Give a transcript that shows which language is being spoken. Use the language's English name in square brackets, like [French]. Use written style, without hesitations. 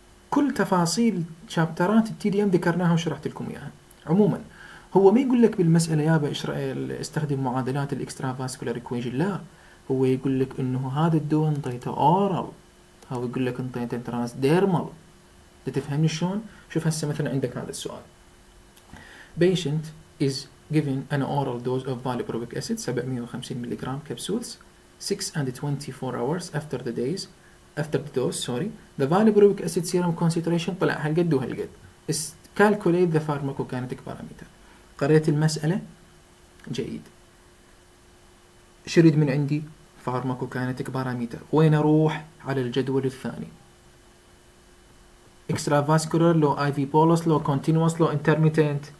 [Arabic] كل تفاصيل شابترات التي دي ام ذكرناها وشرحت لكم اياها. عموما هو ما يقول لك بالمساله يابا استخدم معادلات الاكسترا فاسكولار ايكويشن، لا هو يقول لك انه هذا الدواء انطيته اورال، هو يقول لك انطيته ترانس ديرمال. تفهمني شلون؟ شوف هسه مثلا عندك هذا السؤال. [English] Patient is given an oral dose of valproic acid 750 milligram capsules 6 and 24 hours after the days after the dose sorry the valproic acid serum concentration [Arabic] طلع هالقد وهالقد. [English] Calculate the pharmacokinetic parameter. [Arabic] قريت المسألة جيد، شريد من عندي pharmacokinetic parameter، وين أروح؟ على الجدول الثاني. [English] Extravascular low IV bolus low continuous low intermittent.